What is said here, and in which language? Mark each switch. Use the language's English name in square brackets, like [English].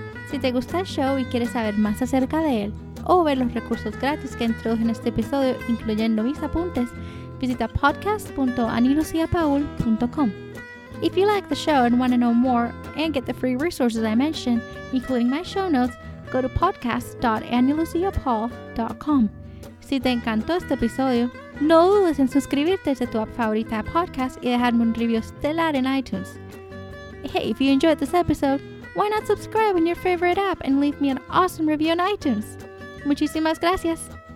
[Spanish] Si te gusta el show y quieres saber más acerca de él, o ver los recursos gratis que introduje en este episodio, incluyendo mis apuntes, visita podcast.anilucíapaul.com. [English] If you like the show and want to know more and get the free resources I mentioned, including my show notes, go to podcast.anilucíapaul.com. [Spanish] Si te encantó este episodio, no dudes en suscribirte a tu app favorita de podcast y dejarme un review estelar en iTunes. [English] Hey, if you enjoyed this episode, why not subscribe in your favorite app and leave me an awesome review on iTunes? [Spanish] Muchísimas gracias.